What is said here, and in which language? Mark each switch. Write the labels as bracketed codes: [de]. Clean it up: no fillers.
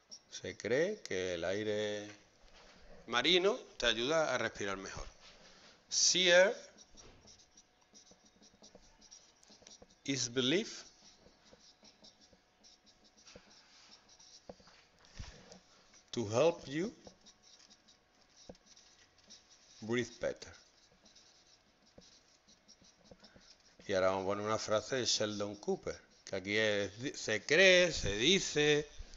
[es] Se cree que el aire marino te ayuda a respirar mejor. [en] Sea air is believed to help you breathe better. [es] Y ahora vamos a poner una frase de Sheldon Cooper, que aquí es, se cree, se dice.